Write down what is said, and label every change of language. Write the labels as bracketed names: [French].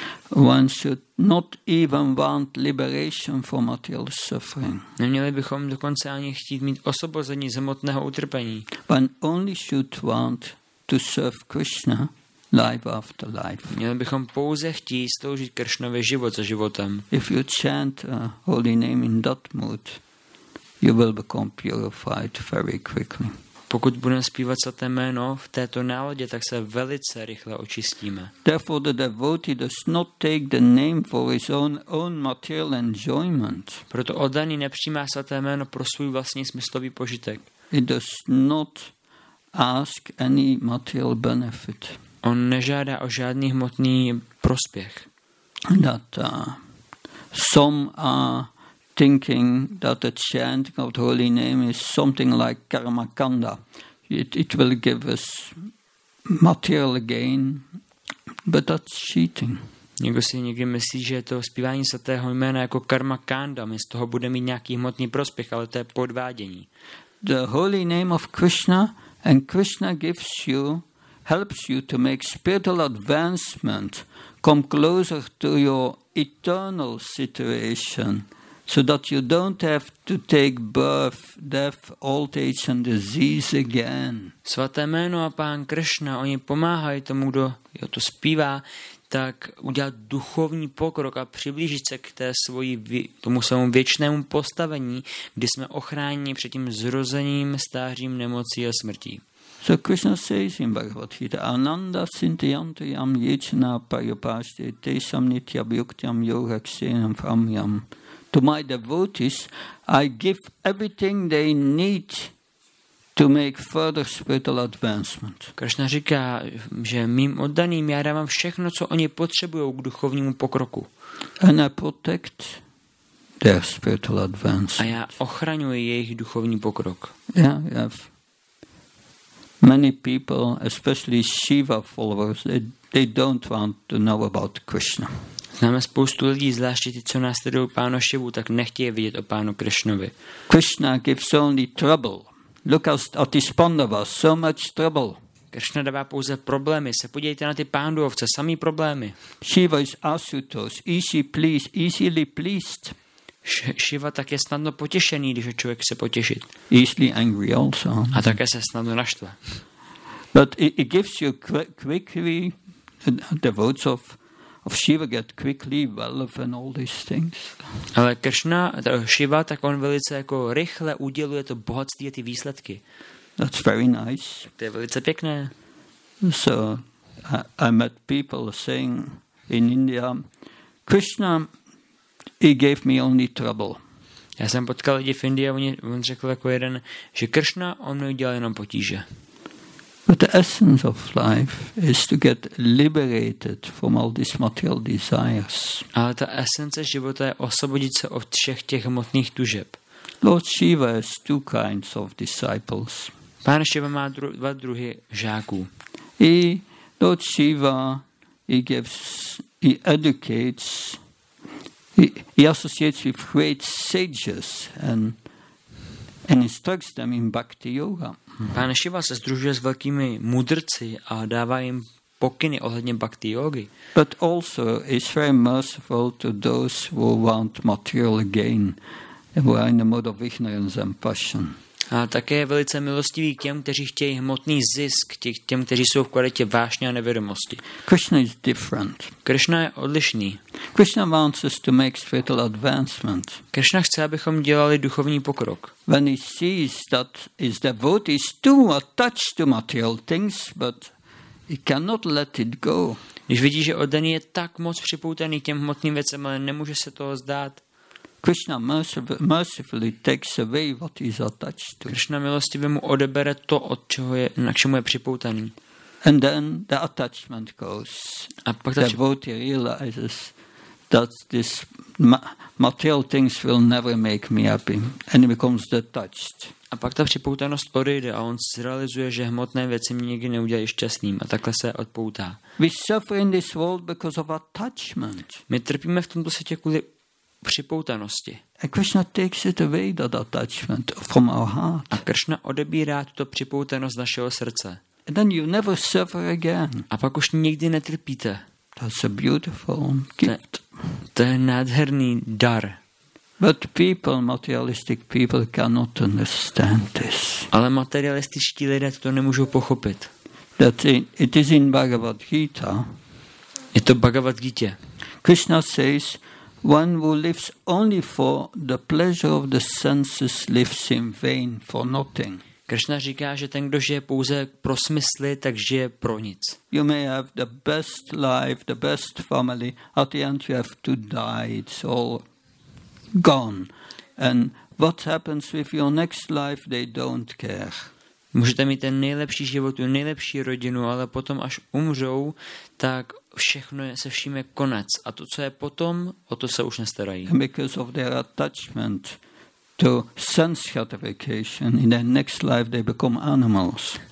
[English] One should not even want liberation from material suffering. [Czech] Neměli bychom dokonce ani chtít mít osvobození z hmotného utrpení. [English] One only should want to serve Krishna life after life. [Czech] Měli bychom pouze chtít sloužit Kršnovi život za životem. [English] If you chant a holy name in that mood, you will become purified very quickly. [Czech] Pokud budeme zpívat svaté jméno v této náladě, tak se velice rychle očistíme. [English] Therefore the devotee does not take the name for his own material enjoyment. [Czech] Proto oddaný nepřijímá svaté jméno pro svůj vlastní smyslový požitek. [English] He does not ask any material benefit. [Czech] On nežádá o žádný hmotný prospěch. [English] That some are thinking that the chanting of the holy name is something like karma kanda. It will give us material gain, but that's cheating. [Czech] Někdo si někdy myslí, že to zpívání svatého jména jako karma kanda, my z toho bude mít nějaký hmotný prospěch, ale to je podvádění. [English] The holy name of Krishna and Krishna gives you, helps you to make spiritual advancement, come closer to your eternal situation. So that you don't have to take birth, death, old age and disease again. [Czech] Svaté jméno a pán Krishna, oni pomáhají tomu, kdo to zpívá, tak udělat duchovní pokrok a přiblížit se k té svoji, tomu svému věčnému postavení, kdy jsme ochráněni před tím zrozením, stářím, nemocí a smrtí. [English] So Krishna says in Bhagavad Gita, [Sanskrit] Ananda Sintiyantiyam Yechna Paryapashti Tesham Nitya Vyuktyam Yoga Kshenam Famyam. [English] To my devotees, I give everything they need to make further spiritual advancement. [Czech] Krishna říká, že mým oddaným já dávám všechno, co oni potřebují k duchovnímu pokroku. [English] And I protect their spiritual advancement. [Czech] A já ochraňuji jejich duchovní pokrok. [English] Yeah, yeah. Many people, especially Shiva followers, they don't want to know about Krishna. [Czech] Známe spoustu lidí, zvláště ti, co následují pánu Šivu, tak nechtějí vidět o pánu Krishnovi. [English] Krishna gives only trouble. Look at this Pandava, so much trouble. [Czech] Krishna dává pouze problémy. Se podívejte na ty pánduovce, samý problémy. [English] Shiva is Asutos, easy pleased, easily pleased. [Czech] Shiva tak je snadno potěšený, když je člověk se potěšit. [English] Easily angry also. [Czech] A také se snadno naštve. [English] But it gives you quickly the votes of Shiva get quickly wealth and all these things. [Czech] Ale Krishna, Shiva, tak on velice jako rychle uděluje to bohatství a ty výsledky. [English] That's very nice. [Czech] Tak to je velice pěkné. [English] So I met people saying in India, Krishna, he gave me only trouble. [Czech] Já jsem potkal lidi v Indii, on řekl jako jeden, že Krishna, on mi udělal jenom potíže. [English] But the essence of life is to get liberated from all these material desires. [Czech] Ale ta esence života je osvobodit se od všech těch hmotných tužeb. [English] Lord Shiva has two kinds of disciples. [Czech] Pán Shiva má dva druhy žáků. [English] Lord Shiva, he educates, he associates with great sages and instructs them in bhakti yoga. [Czech] Pán Shiva se združuje s velkými mudrci a dává jim pokyny ohledně bhakti yogi. [English] But also is very merciful to those who want material gain, who are in the mode of ignorance and passion. [Czech] A také je velice milostivý k těm, kteří chtějí hmotný zisk, těm, kteří jsou v kvalitě vášně a nevědomosti. [English] Krishna is different. [Czech] Krishna je odlišný. [English] Krishna wants us to make spiritual advancement. [Czech] Krishna chce, abychom dělali duchovní pokrok. [English] When he sees that his devotee is too attached to material things, but he cannot let it go. [Czech] Když vidí, že oddaný je tak moc připoutaný k těm hmotným věcem, ale nemůže se toho zdát, [English] Krishna mercifully takes away what he is attached to. [Czech] Krishna milostivě mu odebere to, od čeho je, na čemu je připoutaný. [English] And then the attachment goes. [Czech] A pak [English] the devotee realizes that this material things will never make me happy, and he becomes detached. [Czech] A pak ta připoutanost odejde a on zrealizuje, že hmotné věci mě nikdy neudělají šťastným a takhle se odpoutá. [English] We suffer in this world because of attachment. [Czech] My trpíme v tomto světě kvůli připoutanosti. [English] A Krishna takes it away, that attachment from our heart. [Czech] A Krishna odebírá tuto připoutanost z našeho srdce. [English] And then you never suffer again. [Czech] A pak už nikdy netrpíte. [English] That's a beautiful gift. [Czech] To je nádherný dar. [English] But people, materialistic people cannot understand this. [Czech] Ale materialističtí lidé to nemůžou pochopit. [English] That it is in Bhagavad Gita. [Czech] Je to Bhagavad Gita. [English] Krishna says, one who lives only for the pleasure of the senses lives in vain for nothing. [Czech] Krishna říká, že ten, kdo žije pouze pro smysly, tak žije pro nic. [English] You may have the best life, the best family, at the end you have to die, it's all gone. And what happens with your next life, they don't care. [Czech] Můžete mít ten nejlepší život, tu nejlepší rodinu, ale potom, až umřou, tak všechno se vším je konec. A to, co je potom, o to se už nestarají. [English] And because of their attachment to sense gratification, in their next life they become animals.